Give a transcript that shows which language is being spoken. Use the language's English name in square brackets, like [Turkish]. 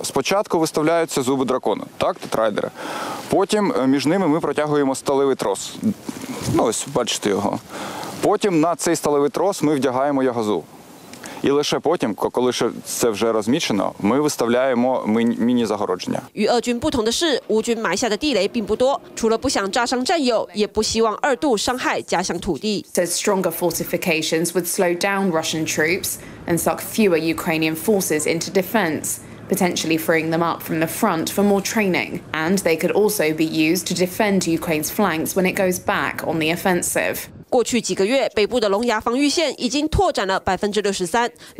[Ukrainian] Спочатку виставляються зуби дракона, так, тетрайдери. Потім між ними ми протягуємо сталевий трос. Ну, ось, бачите його. Потім на цей сталевий трос ми вдягаємо ягазу. І лише потім, коли це вже розмічено, ми виставляємо міні-загородження. [Chinese] 与俄军不同的是，乌军埋下的地雷并不多。除了不想炸伤战友，也不希望二度伤害家乡土地。 [English] Says stronger fortifications would slow down Russian troops and suck fewer Ukrainian forces into defense, potentially freeing them up from the front for more training. And they could also be used to defend Ukraine's flanks when it goes back on the offensive. [Chinese] 过去几个月，北部的龙牙防御线已经拓展了 63%。